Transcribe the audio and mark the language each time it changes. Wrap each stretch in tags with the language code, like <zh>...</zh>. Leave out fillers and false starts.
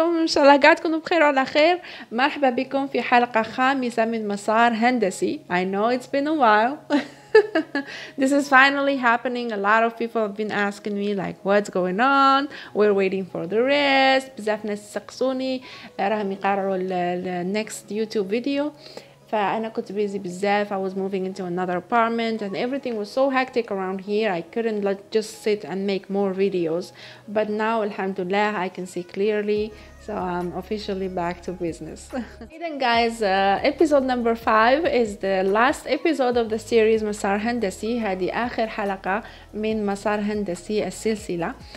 <ar>ان شاء الله قاعد تكونوا بخير وعلى خير. مرحبا بكم في حلقة خامسة من مسار هندسي.</ar> <en>I know it's been a while. This is finally happening. A lot of people have been asking me like what's going on, we're waiting for the rest.</en> <ar>بزاف ناس سقسوني راهم يقرروا</ar> <en>next YouTube video.</en> <ar>فأنا كنت busy بزاف.</ar> <en>I was moving into another apartment and everything was so hectic around here. I couldn't like just sit and make more videos. But now, alhamdulillah, I can see clearly. So I'm officially back to business. Hey then guys, episode number 5 is the last episode of the series Masar Hendesi.</en> <ar>هذه آخر حلقة من Masar Hendesi السلسلة.</ar>